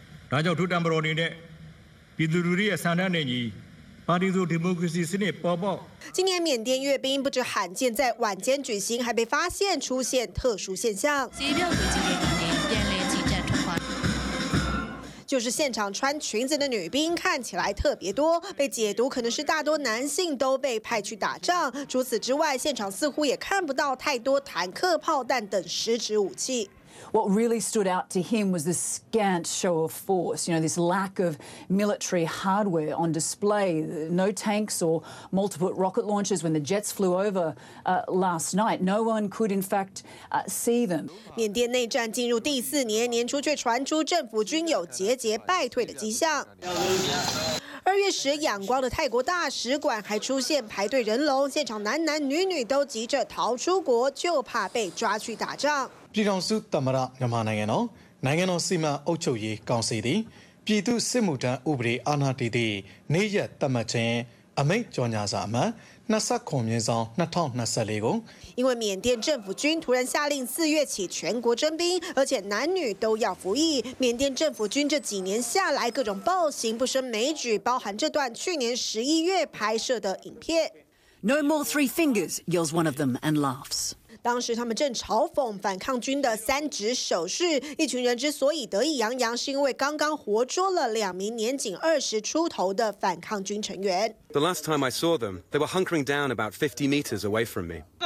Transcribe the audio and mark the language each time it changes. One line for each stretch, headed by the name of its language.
Burmese: ဒါကြောင့်ထူထမ်းပရော်နေတဲ့ပြည်သူလူထုရဲ့စံတန်းနဲ့ညီပါတီစိုဒီမိုကရေစီစနစ်ပေါ်ပေါ
Chinese: 今年缅甸阅兵不止罕见在晚间举行，还被发现出现特殊现象。就是现场穿裙子的女兵看起来特别多，被解读可能是大多男性都被派去打仗。除此之外，现场似乎也看不到太多坦克、炮弹等实质武器。
English: What really stood out to him was the scant show of force, you know, this lack of military hardware on display. No tanks or multiple rocket launchers when the jets flew over last night. No one could, in fact, see them.
Chinese: 缅甸内战进入第四年，年初却传出政府军有节节败退的迹象。 2月10日，仰光的泰国大使馆还出现排队人龙，现场男男女女都急着逃出国，就怕被抓去打仗。
Burmese: ပြည်ထောင်စုတမရမြန်မာနိုင်ငံတော်နိုင်ငံတော်စီမံအုပ်ချုပ်ရေးကောင်စီသည်ပြည်သူစစ်မှုထမ်းဥပဒေအာဏာတည်သည့်နေ့ရက်သတ်မှတ်ခြင်းအမိန့်ကြေညာစာအမှန်29/2024ကို
Chinese: 因为缅甸政府军突然下令4月起全国征兵，而且男女都要服役。缅甸政府军这几年下来各种暴行不胜枚举，包含这段去年11月拍摄的影片。
English: No more three fingers, yells one of them and laughs.
Chinese: 当时他们正嘲讽反抗军的三指手势，一群人之所以得意洋洋，是因为刚刚活捉了两名年仅20出头的反抗军成员。
English: The last time I saw them, they were hunkering down about 50 meters away from me.